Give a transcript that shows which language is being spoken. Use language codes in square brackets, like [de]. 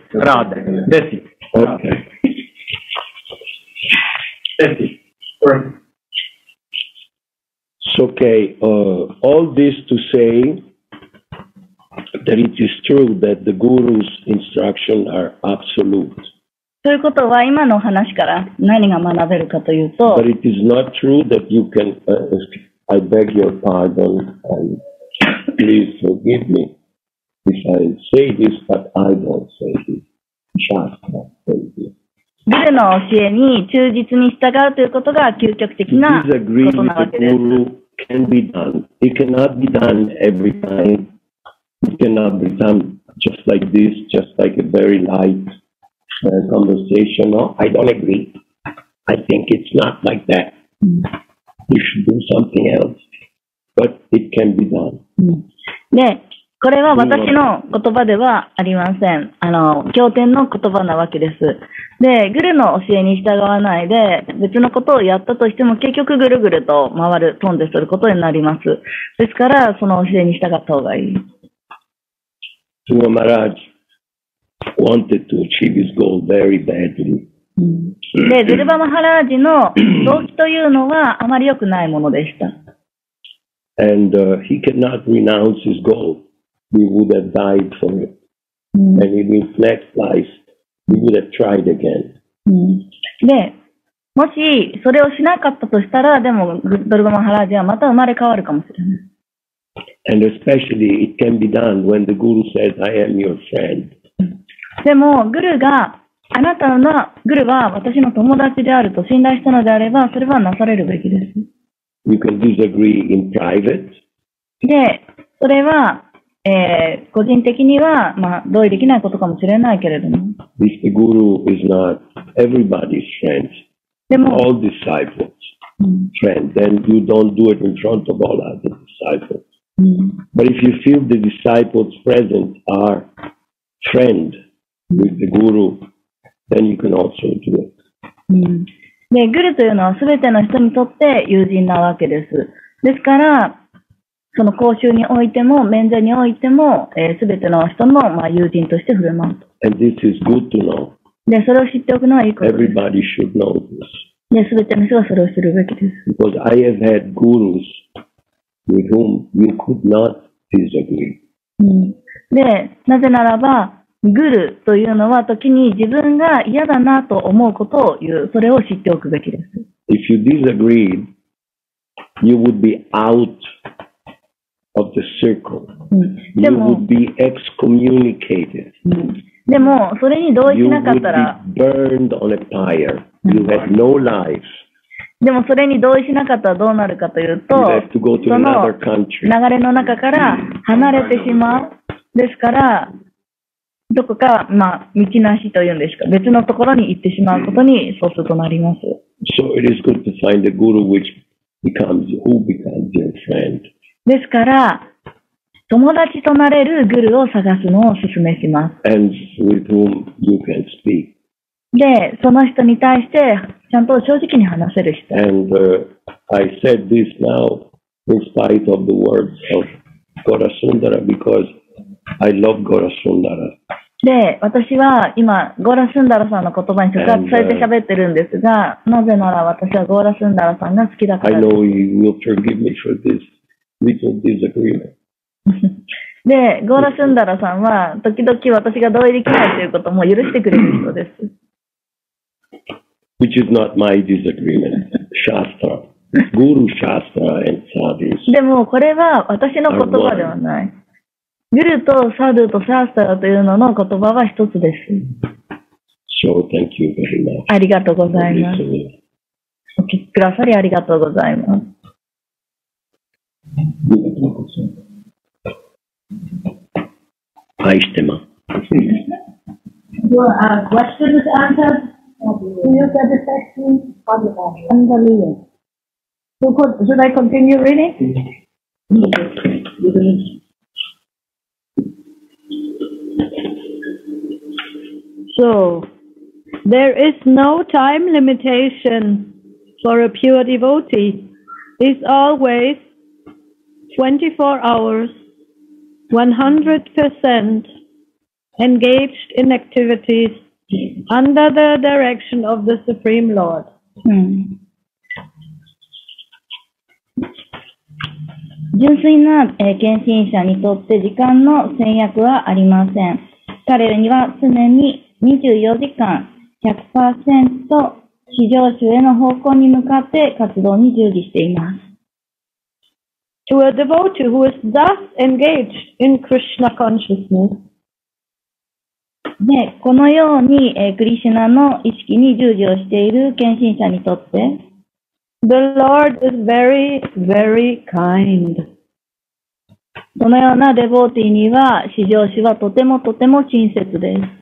[en] radha. That's it. That's it. So, okay. All this to say that it is true that the guru's instructions are absolute. [ja] ということは今の話から何が学べるかというと、 [en] But it is not true that you can. I beg your pardon and please forgive me. If I say this, but I don't say this, just not say this. [ja] Buddha の教えに忠実に従うということが究極的なことなわけです。 [en] Disagree with the guru can be done. It cannot be done every time. It cannot be done just like this, just like a very light conversation. No, I don't agree. I think it's not like that. You should do something else. But it can be done. [ja] で、これは私の言葉ではありません。あの、経典の言葉なわけです。で、グルの教えに従わないで、別のことをやったとしても、結局ぐるぐると回る、飛んですることになります。ですから、その教えに従った方がいい。 [en] So Maharaj wanted to achieve his goal very badly. [ja] で、ドゥルバ・マハラージの動機というのはあまり良くないものでした。 [en] And he cannot renounce his goal. He would have died for it. And in his next life, he would have tried again. [ja] で、もしそれをしなかったとしたら、でもドゥルバ・マハラージはまた生まれ変わるかもしれない。 [en] And especially it can be done when the guru says, I am your friend. [ja] でも、グルが、あなたの、グルは私の友達であると信頼したのであれば、それはなされるべきです。 [en] You can disagree in private. [ja] で、それは、個人的には、まあ、同意できないことかもしれないけれども。 [en] This guru is not everybody's friend. All disciples' friend. Then you don't do it in front of all other disciples. But if you feel the disciples present are friend with the guru, then you can also do it. [ja] で、グルというのはすべての人にとって友人なわけです。ですから、その講習においても、面前においても、すべての人の、まあ、友人として振る舞うと。 [en] And this is good to know. [ja] で、それを知っておくのはいいことです。 [en] Everybody should know this. [ja] で、すべての人はそれを知るべきです。 [en] Because I have had gurus. With whom you could not disagree. [ja] で、なぜならば、グルというのは時に自分が嫌だなと思うことを言う、それを知っておくべきです。 [en] If you disagreed, you would be out of the circle. You would be excommunicated. [ja] でも、それに同意しなかったら、 [en] You would be burned on a pyre. You had no life. [ja] でもそれに同意しなかったらどうなるかというと、その流れの中から離れてしまう。ですから、どこか、まあ、道なしというんですか、別のところに行ってしまうことに、そうするとなります。 [en] So it is good to find a guru which becomes, who becomes your friend. [ja] ですから、友達となれるグルを探すのを勧めします。 [en] And with whom you can speak. [ja] で、その人に対してちゃんと正直に話せる人。 [en] And, I said this now in spite of the words of Gorasundara because I love Gorasundara. [ja] で、私は今、ゴラスンダラさんの言葉に触発されて喋ってるんですが、なぜなら私はゴラスンダラさんが好きだから。 [en] I know you will forgive me for this little disagreement. [ja] で、ゴラスンダラさんは時々私が同意できないということも許してくれる人です。 [en] Which is not my disagreement, Shastra, Guru Shastra and Sadhus. [ja] でもこれは私の言葉ではない。グルとサドゥとシャスタラというのの言葉は一つです。 So thank you very much. ありがとうございます。お聞きくださりありがとうございます。愛してます。 [en] Your question is answered. So could, should I continue reading? So, there is no time limitation for a pure devotee. It's always 24 hours, 100% engaged in activitiesunder the direction of the Supreme Lord. [ja] 純粋な、献身者にとって時間の制約はありません。彼らには常に24時間 100% 非常習への方向に向かって活動に従事しています。 [en] To a devotee who is thus engaged in Krishna consciousness, [ja] で、このように、クリシュナの意識に従事をしている献身者にとって、 [en] The Lord is very, very kind. [ja] そのようなデボーティーには、至上主はとてもとても親切です。